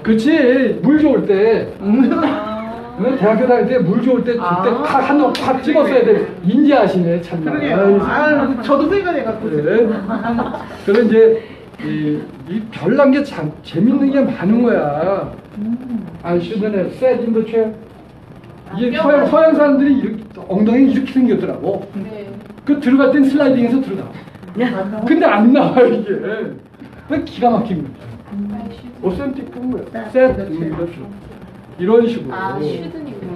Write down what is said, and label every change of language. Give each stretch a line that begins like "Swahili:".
Korean: 그렇지. 물 좋을 때. 대학교 다닐 때 물 좋을 때 그때 팍 한 놈 팍 찍었어야 돼. 인지하시네 참. 그러게요. 아, 저도 생각해 갖고. 그래. 그래 이제 이 별난 게 참 재밌는 게 많은 거야.
English: I shouldn't have sat in the chair.
Korean: 이게 서양 사람들이 이렇게 엉덩이 이렇게 생겼더라고. 네. 그 들어갈 땐 슬라이딩해서 들어가. 근데 안 나와 이게. 왜 기가 막힌 거야. 오센틱한 거야.
English: Sat in the chair.
Korean: 이런 식으로. 아, 쉬든이구나.